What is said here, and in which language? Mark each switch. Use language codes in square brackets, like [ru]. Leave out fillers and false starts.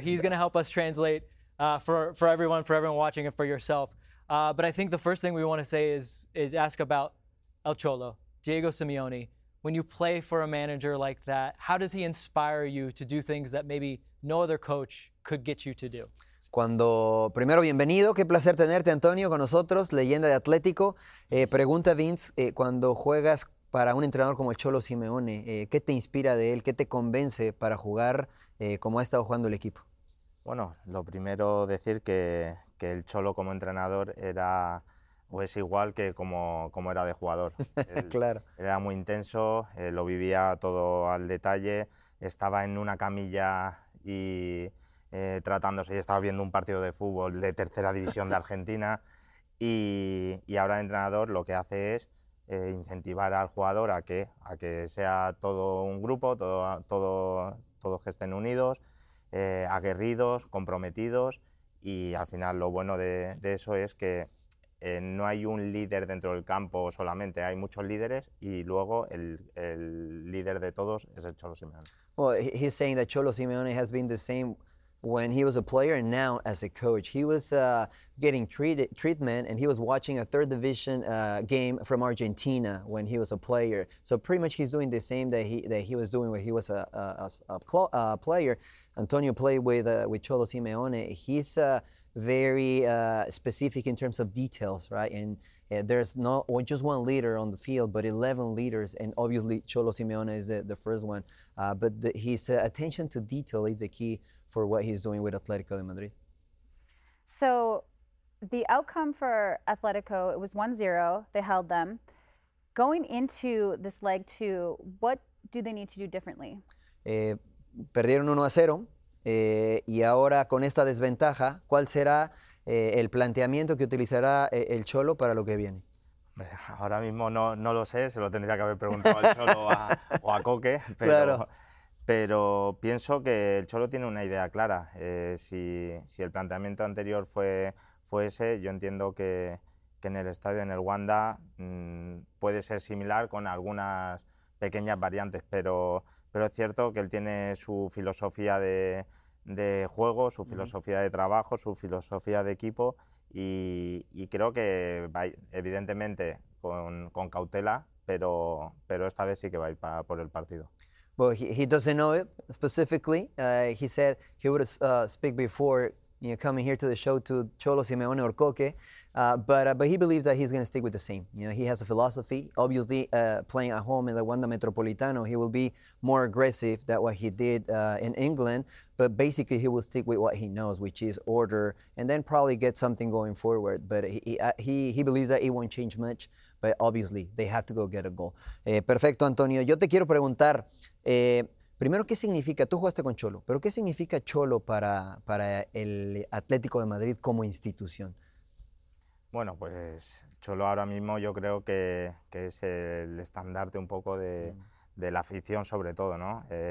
[en] He's going to help us translate for everyone watching and for yourself. But I think the first thing we want to say is ask about El Cholo, Diego Simeone. When you play for a manager like that, how does he inspire you to do things that maybe no other coach could get you to do? [es] Primero, bienvenido. Qué placer tenerte, Antonio, con nosotros. Leyenda de Atlético. Pregunta, Vince, cuando juegas para un entrenador como el Cholo Simeone, ¿qué te inspira de él? ¿Qué te convence para jugar como ha estado jugando el equipo? Bueno, lo primero decir que el Cholo como entrenador era... O es igual que como era de jugador. Claro. Era muy intenso, lo vivía todo al detalle. Estaba en una camilla y tratándose. Y estaba viendo un partido de fútbol de tercera división de Argentina. Y ahora el entrenador lo que hace es incentivar al jugador a que sea todo un grupo, todos que estén unidos, aguerridos, comprometidos. Y al final lo bueno de eso es que no hay un líder dentro del campo solamente, hay muchos líderes y luego el líder de todos es el Cholo Simeone. [en] Well, he's saying that Cholo Simeone has been the same when he was a player and now as a coach. He was getting treatment and he was watching a third division game from Argentina when he was a player. So pretty much he's doing the same that he was doing when he was a player. Antonio played with Cholo Simeone. He's very specific in terms of details, right? And there's not just one leader on the field, but 11 leaders, and obviously Cholo Simeone is the first one. But his attention to detail is the key for what he's doing with Atletico de Madrid. So the outcome for Atletico, it was 1-0, they held them. Going into this leg two, what do they need to do differently? [es] Perdieron 1-0. Y ahora con esta desventaja, ¿cuál será el planteamiento que utilizará el Cholo para lo que viene? Ahora mismo no lo sé, se lo tendría que haber preguntado al Cholo o a Coque, pero pienso que el Cholo tiene una idea clara. Si el planteamiento anterior fue ese, yo entiendo que en el estadio, en el Wanda, puede ser similar con algunas pequeñas variantes, pero es cierto que él tiene su filosofía de juego, su filosofía de trabajo, su filosofía de equipo y creo que va, evidentemente, con cautela, pero esta vez sí que va a ir por el partido. [en] Well, he doesn't know it specifically. He said he would speak before, you know, coming here to the show to Cholo Simeone or Coque, but he believes that he's going to stick with the same. You know, he has a philosophy. Obviously, playing at home in the Wanda Metropolitano, he will be more aggressive than what he did in England. But basically, he will stick with what he knows, which is order, and then probably get something going forward. But he believes that it won't change much. But obviously, they have to go get a goal. [es] Perfecto, Antonio. Yo te quiero preguntar, primero, ¿qué significa? Tú jugaste con Cholo, pero ¿qué significa Cholo para el Atlético de Madrid como institución? Bueno, pues Cholo ahora mismo yo creo que es el estandarte un poco de la afición, sobre todo, ¿no?